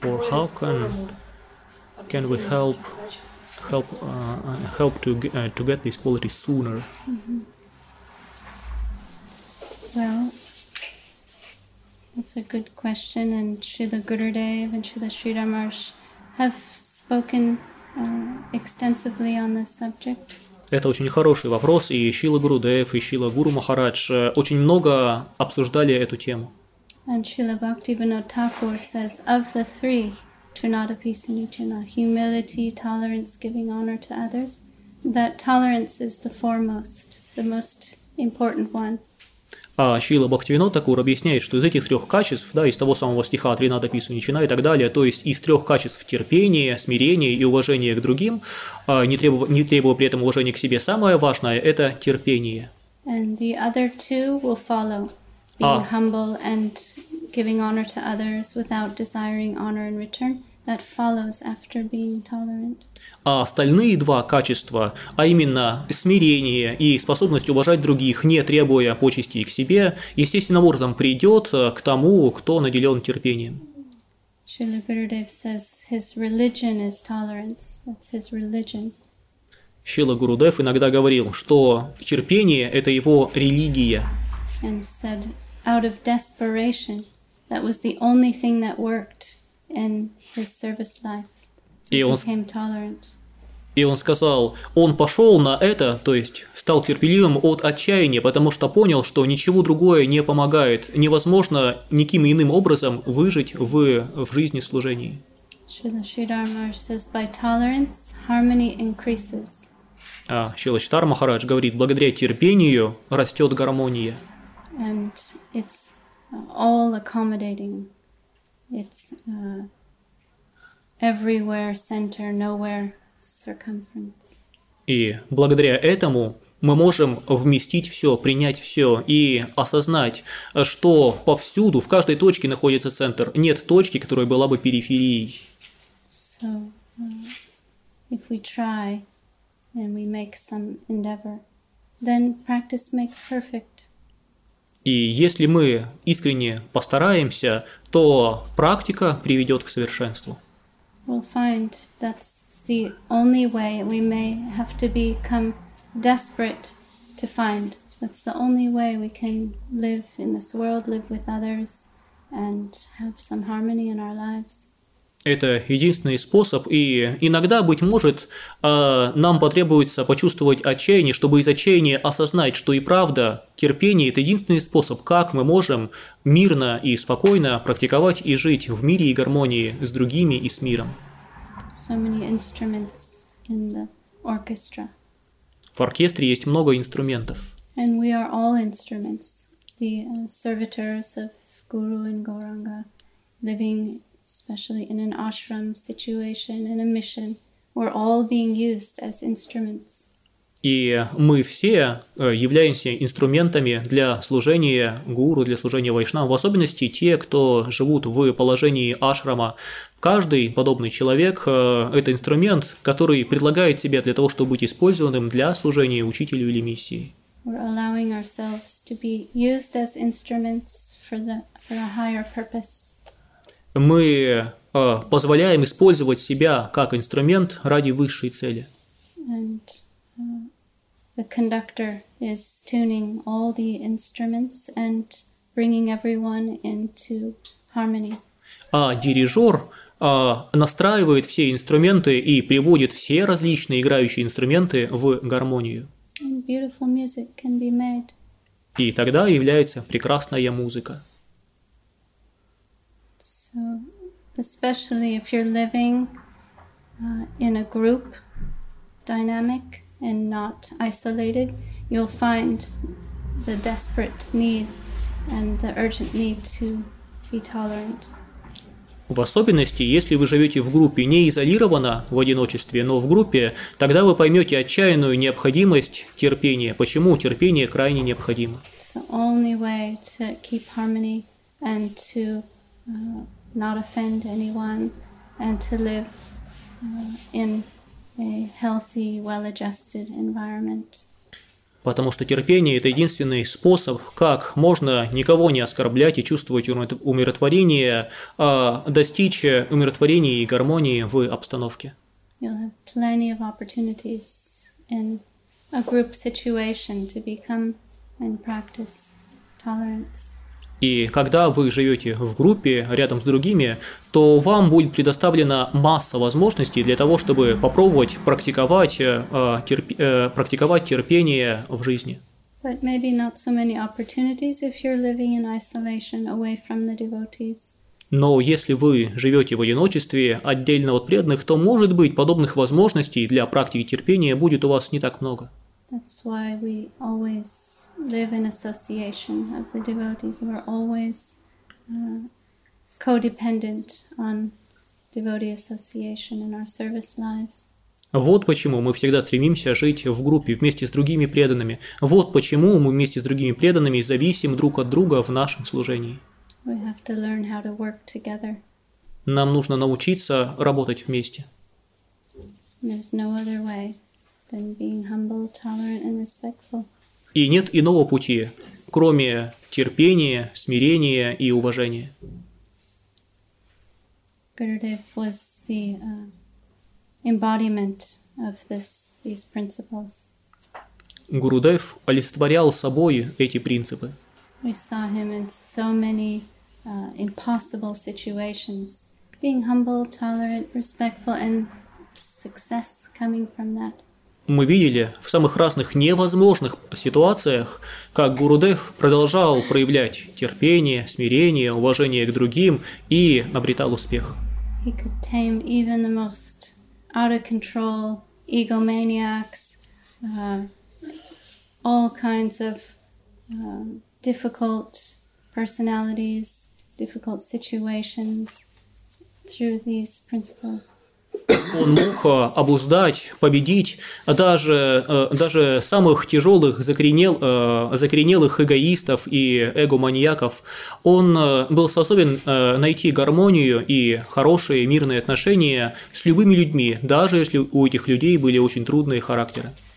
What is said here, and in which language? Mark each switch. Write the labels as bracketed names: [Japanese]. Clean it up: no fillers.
[English] Or how can we help to get this quality sooner? Mm-hmm. Well, that's a good question, and Srila Gurudev and Srila Sridharmarsh have spoken extensively on this subject. [Russian] Это очень хороший вопрос, и Шрила Гурудев, и Шрила Гуру Махарадж очень много обсуждали эту тему. [English] And Srila Bhaktivinoda Thakur says, of the three, trinadapisunichana, humility, tolerance, giving honor to others, that tolerance is the foremost, the most important one. [Russian] А Шрила Бхактивинода Такур объясняет, что из этих трех качеств, да, из того самого стиха «Тринадаписуничина» и так далее, то есть из трех качеств терпения, смирения и уважения к другим, не требуя при этом уважения к себе, самое важное – это терпение. [English] And the other two will follow, being humble and giving honor to others without desiring honor in return. That follows after being tolerant. [Russian] А остальные два качества, а именно смирение и способность уважать других, не требуя почестей к себе, естественным образом придет к тому, кто наделен терпением. [English] Srila Gurudev says his religion is tolerance. That's his religion. [Russian] Srila Gurudev иногда говорил, что терпение – это его религия. [English] And said, out of desperation, that was the only thing that worked in his service life. Became tolerant. [Russian] И он сказал, он пошел на это, то есть стал терпеливым от отчаяния, потому что понял, что ничего другое не помогает, невозможно никаким иным образом выжить в жизни служении. [English] Srila Sridharmarsh says, by tolerance, harmony increases. [Russian] А Srila Sridhar Maharaj говорит, благодаря терпению растет гармония. [English] And it's all accommodating. It's everywhere center, nowhere circumference. [Russian] И благодаря этому мы можем вместить все, принять все и осознать, что повсюду, в каждой точке находится центр. Нет точки, которая была бы периферией. [English] So, if we try and we make some endeavor, then practice makes perfect. [Russian] И если мы искренне постараемся, то практика приведет к совершенству. [English] We'll find that's the only way. We may have to become desperate to find. That's the only way we can live in this world, live with others, and have some harmony in our lives. [Russian] Это единственный способ, и иногда, быть может, нам потребуется почувствовать отчаяние, чтобы из отчаяния осознать, что и правда терпение – это единственный способ, как мы можем мирно и спокойно практиковать и жить в мире и гармонии с другими и с миром. [English] So many instruments in the orchestra. [Russian] В оркестре есть много инструментов. [English] And we are all instruments, the servitors of Guru and Gauranga, living especially in an ashram situation, in a mission, we're all being used as instruments. [Russian] И мы все являемся инструментами для служения гуру, для служения вайшнам, в особенности те, кто живут в положении ашрама. Каждый подобный человек – это инструмент, который предлагает себя для того, чтобы быть использованным для служения учителю или миссии. [English] We're allowing ourselves to be used as instruments for a higher purpose. [Russian] мы позволяем использовать себя как инструмент ради высшей цели. [English] And the conductor is tuning all the instruments and bringing everyone into harmony. [Russian] А дирижер настраивает все инструменты и приводит все различные играющие инструменты в гармонию. [English] And beautiful music can be made. [Russian] И тогда является прекрасная музыка. [English] So, especially if you're living in a group dynamic and not isolated, you'll find the desperate need and the urgent need to be tolerant. [Russian] В особенности, если вы живете в группе не изолированно, в одиночестве, но в группе, тогда вы поймете отчаянную необходимость терпения. Почему терпение крайне необходимо? [English] It's the only way to keep harmony and to not offend anyone and to live in a healthy, well-adjusted environment. [Russian] Потому что терпение – это единственный способ, как можно никого не оскорблять и чувствовать умиротворение, а достичь умиротворения и гармонии в обстановке. [English] You'll have plenty of opportunities in a group situation to become and practice tolerance. [Russian] И когда вы живете в группе рядом с другими, то вам будет предоставлена масса возможностей для того, чтобы попробовать практиковать терпение в жизни. [English] But maybe not so many opportunities if you're living in isolation away from the devotees. [Russian] Но если вы живете в одиночестве, отдельно от преданных, то, может быть, подобных возможностей для практики терпения будет у вас не так много. [English] That's why we always live in association of the devotees. We're always codependent on devotee association in our service lives. [Russian] Вот почему мы всегда стремимся жить в группе вместе с другими преданными. Вот почему мы вместе с другими преданными зависим друг от друга в нашем служении. [English] We have to learn how to work together. [Russian] Нам нужно научиться работать вместе. [English] There's no other way than being humble, tolerant, and respectful. [Russian] И нет иного пути, кроме терпения, смирения и уважения. [English] Gurudev was the embodiment of these principles. [Russian] Gurudev олицетворял собой эти принципы. [English] We saw him in so many impossible situations, being humble, tolerant, respectful, and success coming from that. [Russian] Мы видели в самых разных невозможных ситуациях, как Гурудев продолжал проявлять терпение, смирение, уважение к другим и обретал успех. [English] He could tame even the most out of control egomaniacs, all kinds of difficult personalities, difficult situations through these principles. [Russian] Он мог обуздать, победить даже самых тяжелых закоренелых эгоистов и эгоманьяков. Он был способен найти гармонию и хорошие мирные отношения с любыми людьми, даже если у этих людей были очень трудные характеры.